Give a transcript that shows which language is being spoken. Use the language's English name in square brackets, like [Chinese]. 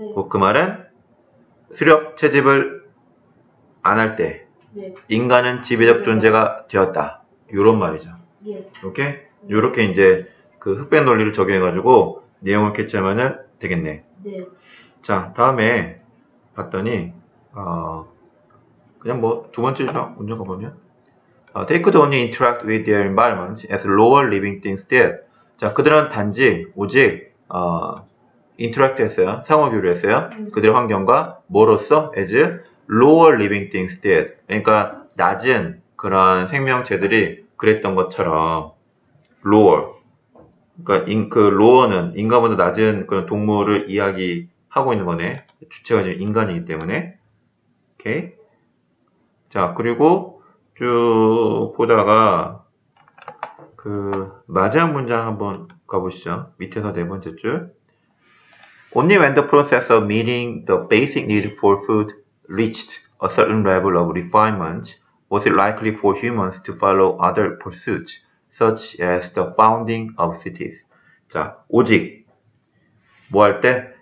[Korean] 그 말은 수렵 채집을 안할 때, 인간은 지배적 존재가 되었다. 요런 말이죠. 이렇게? 요렇게 이제 그 흑백 논리를 적용해가지고 내용을 캐치하면 되겠네. 자, 다음에 봤더니, 그냥 뭐두 번째 문제 가보면. [English] They could only interact with their environment as lower living things did. [Korean] 자, 그들은 단지 오직 interact 했어요. 상호 교류했어요. 그들의 환경과 뭐로써? [English] As lower living things did. [Korean] 그러니까 낮은 그런 생명체들이 그랬던 것처럼 lower, 그러니까 그 lower는 인간보다 낮은 그런 동물을 이야기하고 있는 거네. 주체가 지금 인간이기 때문에. 오케이. 자, 그리고 쭉 보다가 그 마지막 문장 한번 가보시죠. 밑에서 네 번째 줄. [English] Only when the process of meeting the basic need for food reached a certain level of refinement was it likely for humans to follow other pursuits, such as the founding of cities? [Korean] 자, 오직. 뭐할 때?